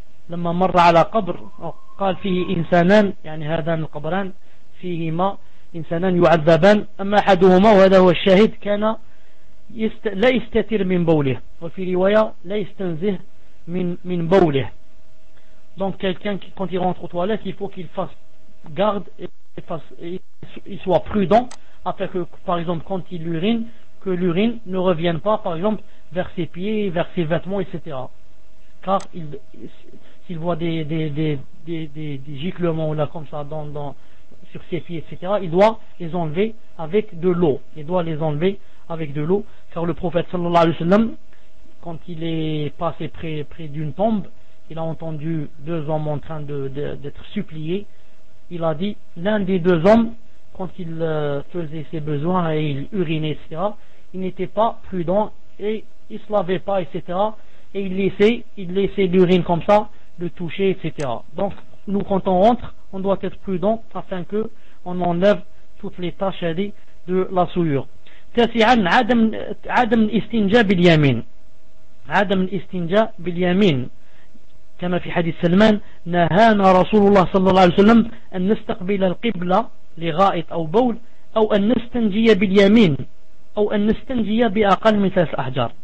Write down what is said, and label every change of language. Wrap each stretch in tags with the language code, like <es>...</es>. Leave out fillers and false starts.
<ar>لما مر على قبر قال فيه إنسانان يعني هذان القبران فيهما إنسانان يعذبان أما أحدهما وهذا هو الشاهد كان لا يستتر من بوله وفي رواية لا يستنزه من بوله.</ar> <fr>Donc quelqu'un qui quand il rentre aux toilettes, il faut qu'il fasse garde et soit prudent afin que par exemple quand il urine, que l'urine ne revienne pas par exemple vers ses pieds, vers ses vêtements, etc. Car s'il voit des giclements là comme ça dans sur ses pieds, etc., il doit les enlever avec de l'eau. Il doit les enlever avec de l'eau. Car le prophète sallallahu alayhi wa sallam, quand il est passé près d'une tombe, il a entendu deux hommes en train d'être suppliés. Il a dit, l'un des deux hommes, quand il faisait ses besoins et il urinait, etc., il n'était pas prudent et il ne se lavait pas, etc. Et il laissait l'urine comme ça, le toucher, etc. Donc, nous, quand on rentre, on doit être prudent afin que on enlève toutes les taches allez, de la souillure.</fr> <ar>Tassian, adam istinja bil yamin. عدم الاستنجاء باليمين كما في حديث سلمان نهانا رسول الله صلى الله عليه وسلم أن نستقبل القبلة لغائط أو بول أو أن نستنجي باليمين أو أن نستنجي بأقل من ثلاث أحجار.</ar>